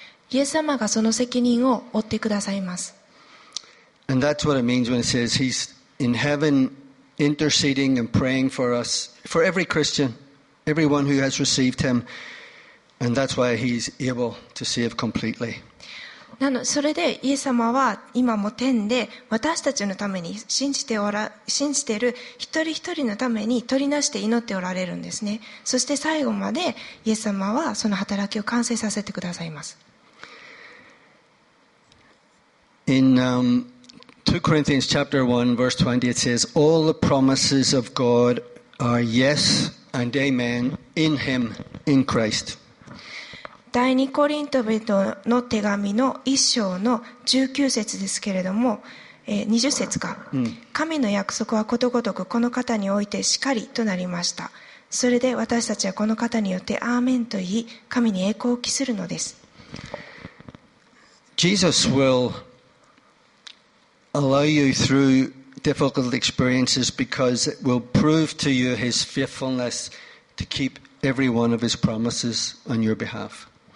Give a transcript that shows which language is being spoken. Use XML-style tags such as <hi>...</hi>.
<ja>イエス様がその責任を負ってくださいます。</ja> <en>And that's what it means when it says he's in heaven interceding and praying for us, for every Christian. Everyone who has received him, and that's why he's able to save completely.</en> <ja>なのそれでイエス様は今も天で私たちのために信じている一人一人のために取りなして祈っておられるんですね。そして最後までイエス様はその働きを完成させてくださいます。</ja> <en>In 2 Corinthians chapter 1 verse 20 it says, All the promises of God are yes and amen in him, in Christ.</en> <ja>第2コリント人の手紙の1章の19節ですけれども、20節か、神の約束はことごとくこの方においてしかりとなりました。それで私たちはこの方によってアーメンと言い、神に栄光を期するのです。</ja> <en>Jesus will allow you through difficult experiences because it will prove to you his faithfulness to keep every one of his promises on your behalf.</en>